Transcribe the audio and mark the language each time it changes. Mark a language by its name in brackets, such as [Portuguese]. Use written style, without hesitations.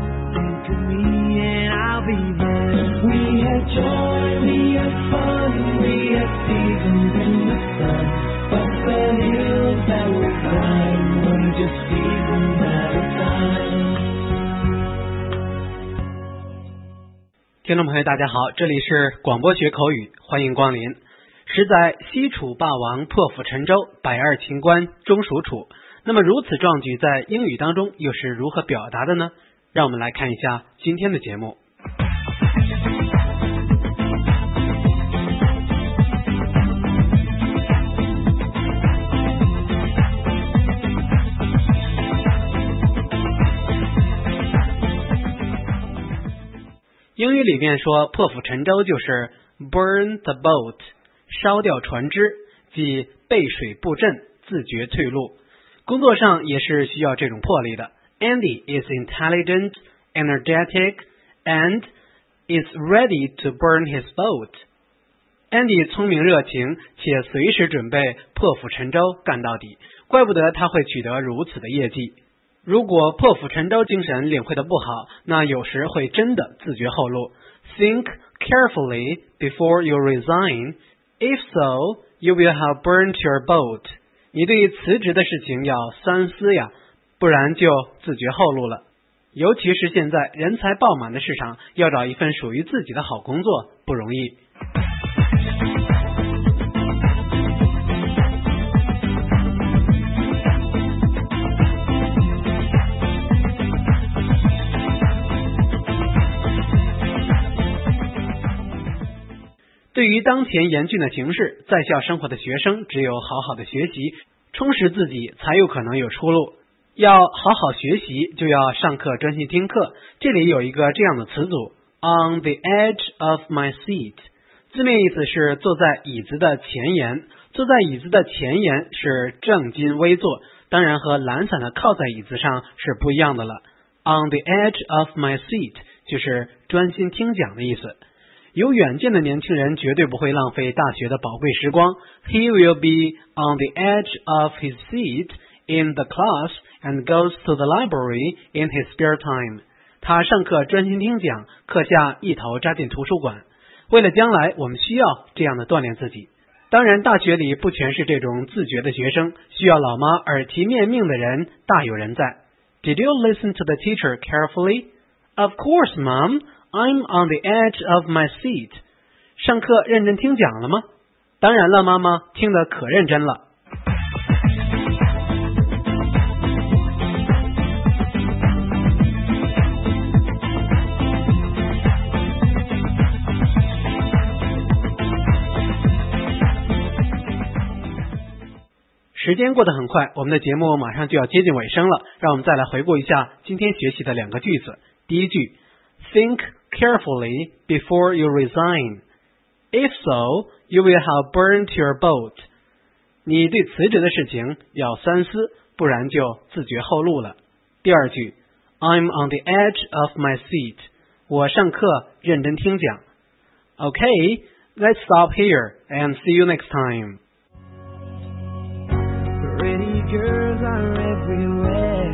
[English] Think of me and I'll be there. We had joy, we had fun, we had seasons in the sun. But the hills that we climbed were just seasons at a time. [Chinese] 听众朋友大家好，这里是广播学口语，欢迎光临。实在西楚霸王破釜沉舟，百二秦关终属楚。那么如此壮举在英语当中又是如何表达的呢？让我们来看一下今天的节目。英语里面说破釜沉舟就是 [English] burn the boat， [Chinese] 烧掉船只，即背水布阵，自觉退路。工作上也是需要这种魄力的。 [English] Andy is intelligent, energetic, and is ready to burn his boat. [Chinese] Andy 聪明热情，且随时准备破釜沉舟干到底，怪不得他会取得如此的业绩。如果破釜沉舟精神领会的不好，那有时会真的自绝后路。 [English] Think carefully before you resign. If so, you will have burnt your boat. [Chinese] 你对辞职的事情要三思呀，不然就自绝后路了。尤其是现在人才爆满的市场，要找一份属于自己的好工作不容易。对于当前严峻的形势，在校生活的学生只有好好的学习，充实自己，才有可能有出路。要好好学习，就要上课专心听课。这里有一个这样的词组 ， [English] on the edge of my seat， [Chinese] 字面意思是坐在椅子的前沿。坐在椅子的前沿是正襟危坐，当然和懒散的靠在椅子上是不一样的了。 [English] on the edge of my seat [Chinese] 就是专心听讲的意思。有远见的年轻人绝对不会浪费大学的宝贵时光。 [English] He will be on the edge of his seat in the class and goes to the library in his spare time. [Chinese] 他上课专心听讲，课下一头扎进图书馆。为了将来，我们需要这样的锻炼自己。当然，大学里不全是这种自觉的学生，需要老妈耳提面命的人大有人在。 [English] Did you listen to the teacher carefully? Of course, Mom. I'm on the edge of my seat. [Chinese] 上课认真听讲了吗？当然了，妈妈，听得可认真了。时间过得很快，我们的节目马上就要接近尾声了，让我们再来回顾一下今天学习的两个句子。第一句， [English] thinkcarefully before you resign. If so, you will have burnt your boat. [Chinese] 你对辞职的事情要三思，不然就自绝后路了。第二句， [English] I'm on the edge of my seat. [Chinese] 我上课认真听讲。 [English] Okay, let's stop here and see you next time. Pretty girls are everywhere